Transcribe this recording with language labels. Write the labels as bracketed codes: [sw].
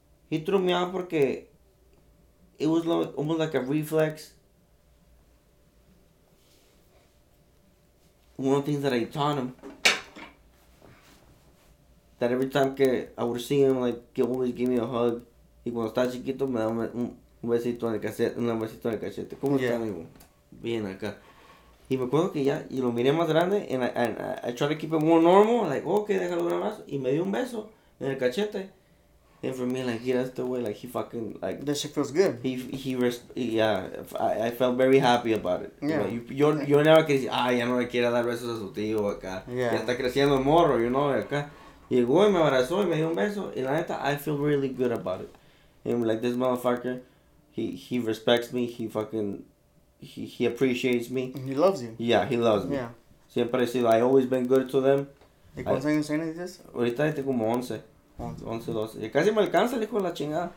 [en] He threw me off [es] porque [en] it was like, almost like a reflex. One of the things that I taught him. That every time [es] que [en] I would see him, like, he always give me a hug. [es] Y cuando está chiquito, me da un besito en el cachete. ¿Cómo está, amigo? Bien acá. Y me acuerdo que ya, y lo miré más grande, [en] and I tried to keep it more normal, like, okay, [es] déjalo grabar, y me dio un beso en el cachete, [en] And for me, like, yeah, that's the way, like, he fucking, like... That shit feels good. I felt very happy about it. Yeah. You know, [es] yo [en] never [es] quería decir, ay, ya no le quiero dar besos a su tío acá. Yeah. Ya está creciendo el morro, [en] you know, [es] acá. Llegó y me abrazó y me dio un beso. Y la neta, [en] I feel really good about it. And, like, this motherfucker, he respects me. He fucking, he appreciates me. And he loves you. Yeah, he loves me. Yeah. [es] Siempre he sido, [en] I always been good to them. [es] ¿Y cuántos años tiene [en] this? [es] Ahorita tengo como 11. 11, 12. Y casi me alcanza el hijo de la chingada.